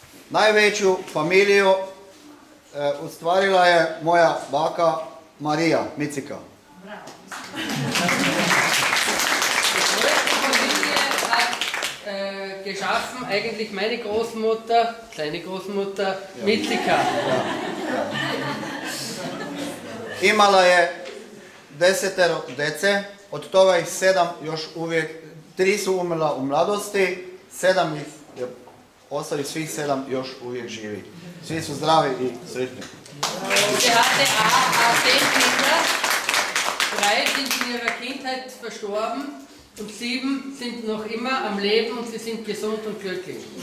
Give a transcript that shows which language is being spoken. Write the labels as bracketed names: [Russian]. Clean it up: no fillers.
[Croatian] Največju familiju ustvarila je moja baka Marija Micika. Bravo. [German] Die größte Familie hat geschaffen eigentlich meine Großmutter, kleine Großmutter, ja. Micika. Ja. Ja. [Croatian] Imala je 10 dece, od toga ih 7 još uvijek, 3 su umrla u mladosti, 7 ih je ostali, svih 7 još uvijek živi. Svi su zdravi i sretni. [German] Sie hatte a 10 Kinder, 3 sind in ihrer Kindheit verstorben und 7 sind noch immer am Leben und sie sind gesund und glücklich.